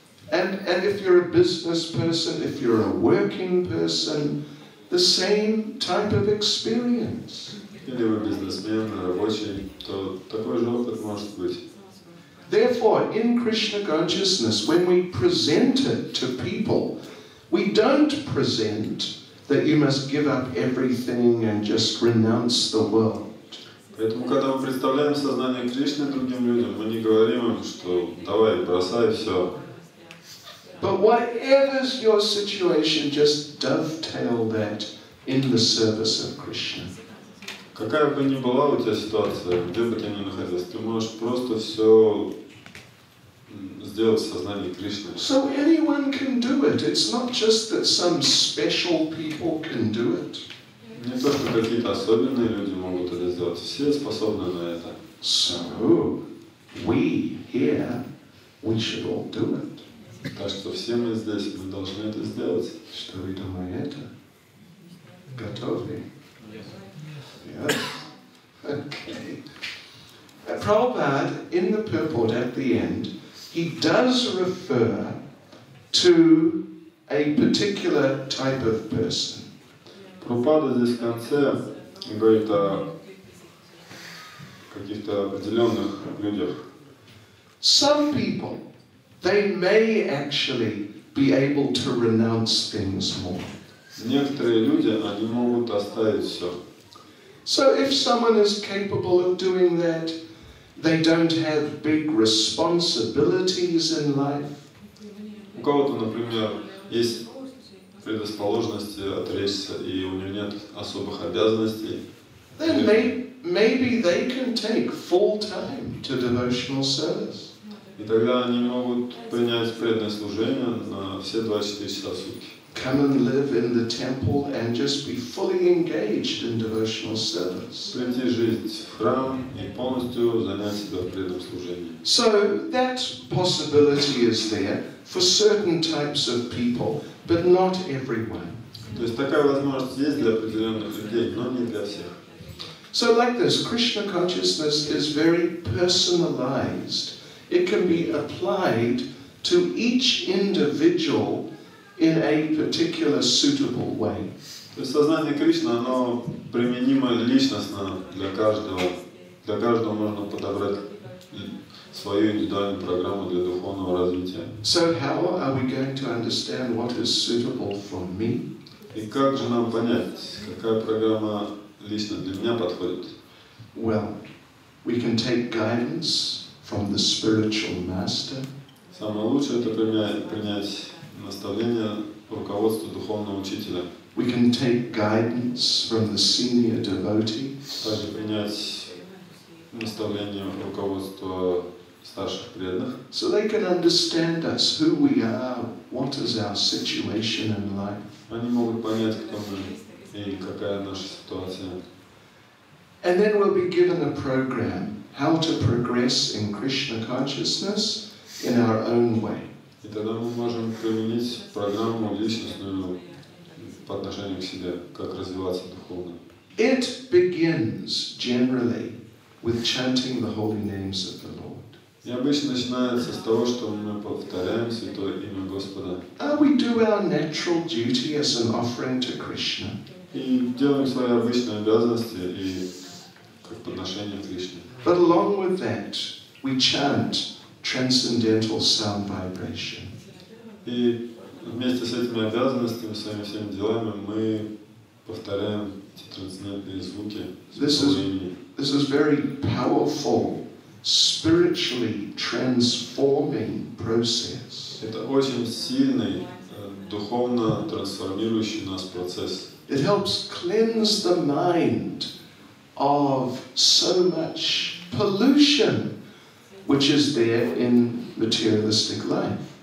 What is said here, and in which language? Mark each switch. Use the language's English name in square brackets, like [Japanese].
[English] And if you're a business person, if you're a working person, the same type of experience. [Russian] Или вы бизнесмен, рабочий, то такой же опыт может быть. [English] Therefore, in Krishna consciousness, when we present it to people, we don't present that you must give up everything and just renounce the world. [Russian] Поэтому, когда мы представляем сознание Кришны другим людям, мы не говорим им, что давай, бросай все. [English] But whatever's your situation, just dovetail that in the service of Krishna. [Russian] Какая бы ни была у тебя ситуация, где бы ты ни находился, ты можешь просто все сделать в сознании Кришны. [English] So anyone can do it. It's not just that some special people can do it. [Russian] Не то, что какие-то особенные люди могут это сделать. сделать. Все способны на это. [English] So, we here, we should all do it. [Russian] Так что все мы здесь, мы должны это сделать. Что вы думаете? Готовы? [English] Yes. Yes. Okay. Prabhupada, in the purport at the end, he does refer to a particular type of person. [Russian] Прабхупада здесь в конце говорит о каких-то определенных людях. [English] Some people, they may actually be able to renounce things more. [Russian] Некоторые люди, они могут оставить все. [English] So if someone is capable of doing that, they don't have big responsibilities in life. [Russian] У кого-то, например, есть предрасположенности отречься, и у него нет особых обязанностей. [English] Then maybe they can take full time to devotional service. [Russian] И тогда они могут принять преданное служение на все 24 часа в сутки. [English] Come and live in the temple and just be fully engaged in devotional service. [Russian] Прийти жить в храм и полностью занять себя преданным служением. [English] So that possibility is there for certain types of people, but not everyone. [Russian] То есть такая возможность есть для определенных людей, но не для всех. [English] So like this, Krishna consciousness is very personalized. It can be applied to each individual in a particular suitable way. [Russian] То есть сознание Кришны, оно применимо личностно для каждого. Для каждого можно подобрать свою индивидуальную программу для духовного развития. [English] So how are we going to understand what is suitable for me? [Russian] И как же нам понять, какая программа лично для меня подходит? [English] Well, we can take guidance from the spiritual master. [Russian] Самое лучшее это принять наставление, руководство духовного учителя. [English] We can take guidance from the senior devotee. [Russian] Также принять наставление, руководство старших преданных. [English] So they can understand us, who we are, what is our situation in life. [Russian] Они могут понять, кто мы и какая наша ситуация. [English] And then we'll be given a program how to progress in Krishna consciousness in our own way. [Russian] И тогда мы можем применить программу личностную по отношению к себе, как развиваться духовно. [English] It begins generally with chanting the holy names of the Lord. [Russian] И обычно начинается с того, что мы повторяем святое имя Господа. [English] And we do our natural duty as an offering to Krishna. [Russian] И делаем свои обычные обязанности и как подношение Кришне. [English] But along with that, we chant transcendental sound vibration. [Russian] И вместе с этими обязанностями, со всеми делами, мы повторяем эти трансцендентные звуки. [English] This is very powerful, spiritually transforming process. [Russian] Это очень сильный, духовно трансформирующий нас процесс. [English] It helps cleanse the mind of so much pollution which is there in materialistic life.